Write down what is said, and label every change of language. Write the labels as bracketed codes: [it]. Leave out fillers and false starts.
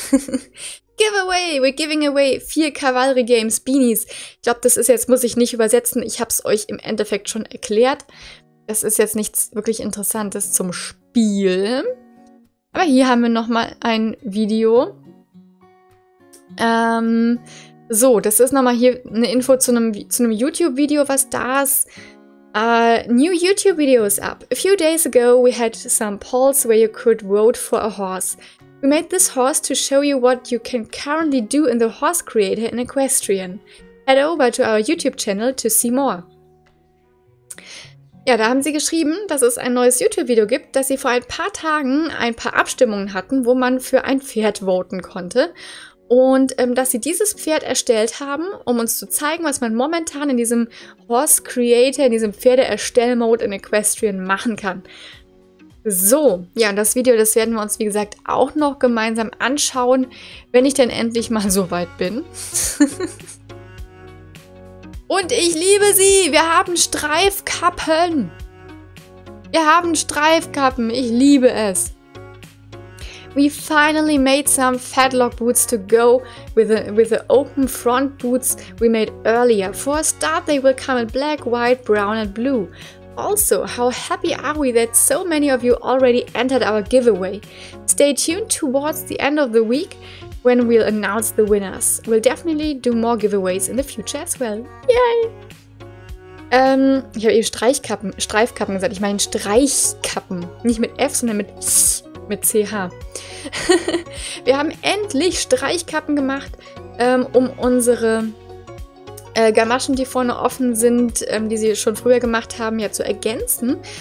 [en] Giveaway! We're giving away 4 Cavalry Games Beanies. [de] Ich glaube, das ist jetzt, muss ich nicht übersetzen, ich habe es euch im Endeffekt schon erklärt. Das ist jetzt nichts wirklich Interessantes zum Spiel. Aber hier haben wir nochmal ein Video. So, das ist nochmal hier eine Info zu einem YouTube-Video, was da ist. [en] New YouTube-Video is up. A few days ago we had some polls where you could vote for a horse. We made this horse to show you what you can currently do in the horse creator in Equestrian. Head over to our YouTube-Channel to see more. [de] Ja, da haben sie geschrieben, dass es ein neues YouTube-Video gibt, dass sie vor ein paar Tagen ein paar Abstimmungen hatten, wo man für ein Pferd voten konnte. Und dass sie dieses Pferd erstellt haben, um uns zu zeigen, was man momentan in diesem Horse Creator, in diesem Pferdeerstell-Mode in Equestrian machen kann. So, ja, und das Video, das werden wir uns, wie gesagt, auch noch gemeinsam anschauen, wenn ich denn endlich mal so weit bin. Und ich liebe sie! Wir haben Streifkappen! Wir haben Streifkappen! Ich liebe es! [en] We finally made some Fadlock boots to go with the open front boots we made earlier. For a start, they will come in black, white, brown and blue. Also, how happy are we that so many of you already entered our giveaway? Stay tuned towards the end of the week when we'll announce the winners. We'll definitely do more giveaways in the future as well. Yay! [de] Ich habe eben Streifkappen gesagt. Ich meine Streichkappen. Nicht mit F, sondern mit S. Mit CH. Wir haben endlich Streichkappen gemacht, um unsere Gamaschen, die vorne offen sind, die sie schon früher gemacht haben, ja zu ergänzen.